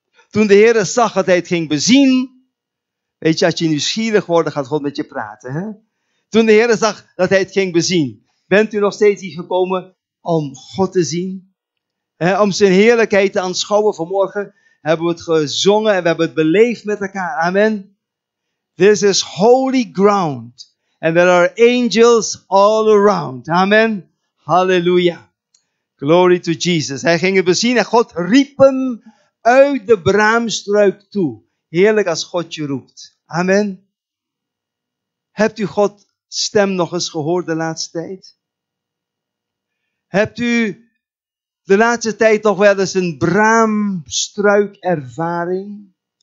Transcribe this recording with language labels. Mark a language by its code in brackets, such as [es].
[nl] Toen de Heere zag dat hij het ging bezien. Weet je, als je nieuwsgierig wordt, gaat God met je praten. Hè? Toen de Heere zag dat hij het ging bezien. Bent u nog steeds hier gekomen om God te zien? He, om zijn heerlijkheid te aanschouwen? Vanmorgen hebben we het gezongen en we hebben het beleefd met elkaar. [en] Amen. This is holy ground. And there are angels all around. Amen. Halleluja. Glory to Jesus. [nl] Hij ging het bezien en God riep hem uit de braamstruik toe. Heerlijk als God je roept. Amen. Hebt u Gods stem nog eens gehoord de laatste tijd? Hebt u de laatste tijd nog wel eens een braamstruikervaring?